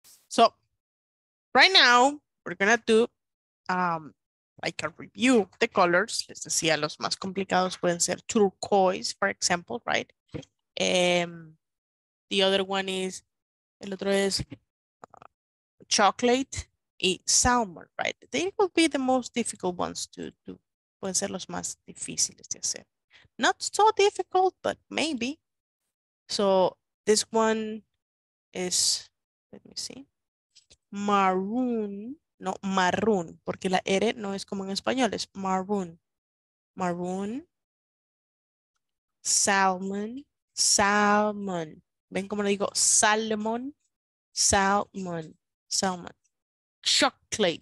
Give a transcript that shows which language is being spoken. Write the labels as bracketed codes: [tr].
[en] So right now we're going to do like a review of the colors. [es] Les decía, los más complicados pueden ser turquoise, [en] for example, right? The other one is, [es] el otro es chocolate y salmon, [en] right? They will be the most difficult ones to do. [es] Pueden ser los más difíciles de hacer. [en] Not so difficult, but maybe. So this one is, let me see, maroon. [es] No, maroon, porque la R no es como en español, es maroon. Maroon, salmon, salmon. ¿Ven cómo lo digo? [en] Salmon, salmon, salmon. Chocolate.